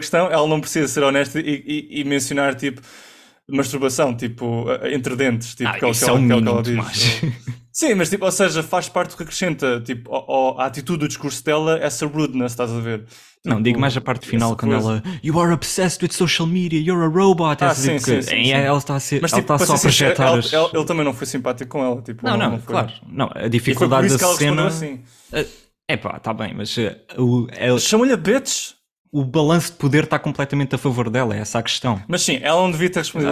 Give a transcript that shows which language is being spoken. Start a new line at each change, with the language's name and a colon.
Portuguese: ela não precisa ser honesta e mencionar, tipo... masturbação, tipo, entre dentes, tipo, que ela diz. Sim, mas tipo, ou seja, faz parte do que acrescenta, tipo, a atitude do discurso dela, essa rudeness, estás a ver? Tipo, não, digo mais a parte final, quando ela...
English: You are obsessed with social media, you're a robot.
Portuguese: Ela está a ser, mas, tipo, ela está só a projetar as... Ele também não foi simpático com ela, tipo... Não, não foi. Claro. Não, a dificuldade da cena... Assim. Epá, está bem, mas... Chama-lhe a bitch! O balanço de poder está completamente a favor dela, é essa a questão. Mas sim, ela não devia ter respondido.